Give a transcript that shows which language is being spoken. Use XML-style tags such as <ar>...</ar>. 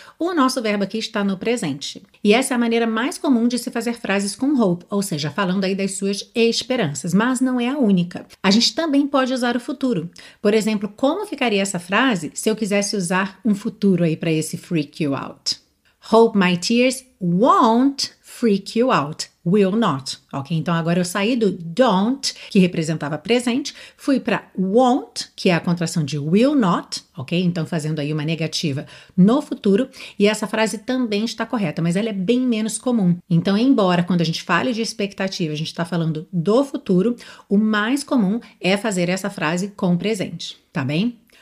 <pt>O nosso verbo aqui está no presente. E essa é a maneira mais comum de se fazer frases com hope, ou seja, falando aí das suas esperanças, mas não é a única. A gente também pode usar o futuro. Por exemplo, como ficaria essa frase se eu quisesse usar um futuro aí para esse freak you out?</pt> <en>"Hope my tears won't freak you out, will not".</en> <pt>Ok, então agora eu saí do "don't", que representava presente, fui para "won't", que é a contração de "will not", ok? Então fazendo aí uma negativa no futuro, e essa frase também está correta, mas ela é bem menos comum. Então, embora quando a gente fale de expectativa, a gente está falando do futuro, o mais comum é fazer essa frase com presente, tá bem?</pt>